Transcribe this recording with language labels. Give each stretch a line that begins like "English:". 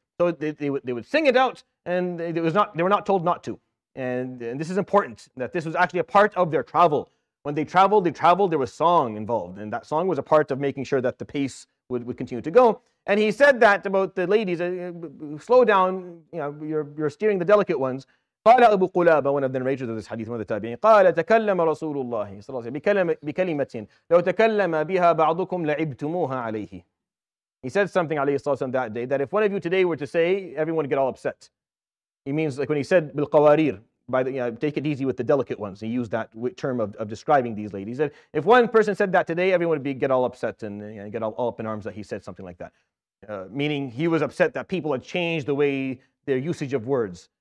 English: So they would sing it out, and they were not told not to. And this is important, that this was actually a part of their travel. When they traveled, there was song involved. And that song was a part of making sure that the pace would continue to go. And he said that about the ladies, slow down, you're steering the delicate ones.
Arabic: قال أبو قلابة,
English: one of the narrators of this hadith, one of the tabi'in,
Arabic: قال تكلم رسول الله صلى الله عليه وسلم بكلمة لو تكلم بها بعضكم لعبتموها عليه.
English: He said something
Arabic: عليه الصلاة والسلام
English: that day, that if one of you today were to say, everyone would get all upset. He means like when he said بالقوارير, take it easy with the delicate ones. He used that term of describing these ladies. And if one person said that today, everyone would get all upset and get all up in arms that he said something like that. Meaning he was upset that people had changed the way their usage of words.